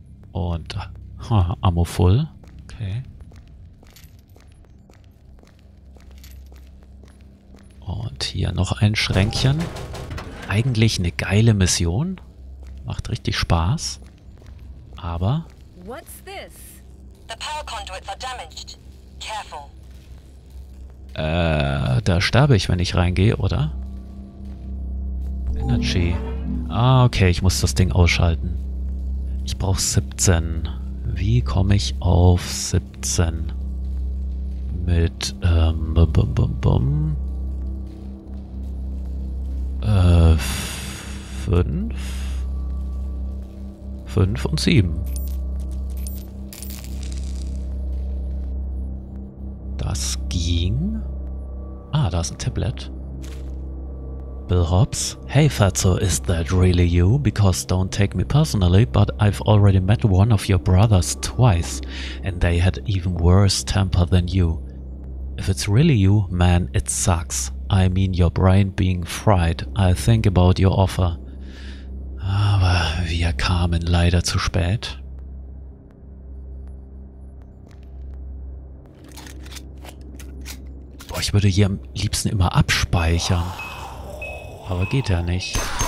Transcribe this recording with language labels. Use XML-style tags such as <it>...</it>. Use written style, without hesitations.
<de>Und Ammo voll. Okay. Und hier noch ein Schränkchen. Eigentlich eine geile Mission. Macht richtig Spaß. Aber.</de> <en>What's this? The power conduits are damaged. Careful.</en> <de>Da sterbe ich, wenn ich reingehe, oder? Energy. Ah, okay, ich muss das Ding ausschalten. Ich brauche 17. Wie komme ich auf 17? Mit, bum, bum, bum, bum. 5? 5 und 7. Das ging. Ah, da ist ein Tablet. Bill Hobbs.</de> <en>Hey Fatso, is that really you? Because don't take me personally, but I've already met one of your brothers twice, and they had even worse temper than you. If it's really you, man, it sucks. I mean your brain being fried. I think about your offer.</en> <de>Aber wir kamen leider zu spät. Boah, ich würde hier am liebsten immer abspeichern. Aber geht ja nicht.</de>